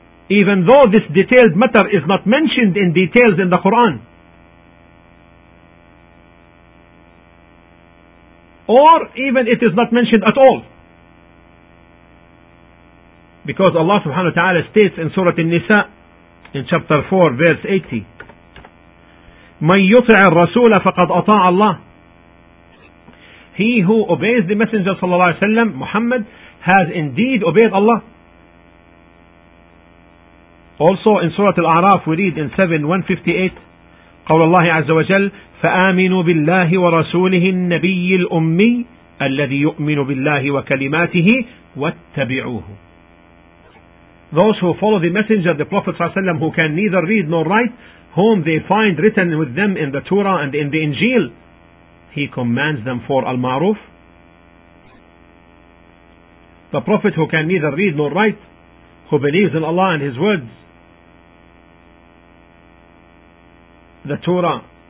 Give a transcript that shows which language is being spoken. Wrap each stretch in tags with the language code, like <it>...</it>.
<en>Even though this detailed matter is not mentioned in details in the Quran, or even it is not mentioned at all, because Allah subhanahu wa ta'ala states in Surah An-Nisa in chapter 4 verse 80,</en> <ar>مَنْ يُطْعِ الرَّسُولَ فَقَدْ أَطَاعَ اللَّهِ,</ar> <en>he who obeys the Messenger صلى الله عليه وسلم, Muhammad, has indeed obeyed Allah. Also in Surah Al-A'raf we read in 7:158,</en> <ar>قَوْلَ اللَّهِ عَزَّ وَجَلَّ فَآمِنُوا بِاللَّهِ وَرَسُولِهِ النَّبِيِّ الْأُمِّيِّ الَّذِي يُؤْمِنُ بِاللَّهِ وَكَلِمَاتِهِ وَاتَّبِعُوهُ.</ar> <en>Those who follow the Messenger, the Prophet ﷺ, who can neither read nor write, whom they find written with them in the Torah and in the Injil, he commands them for al-ma'ruf. The Prophet who can neither read nor write, who believes in Allah and His words, the Torah</en>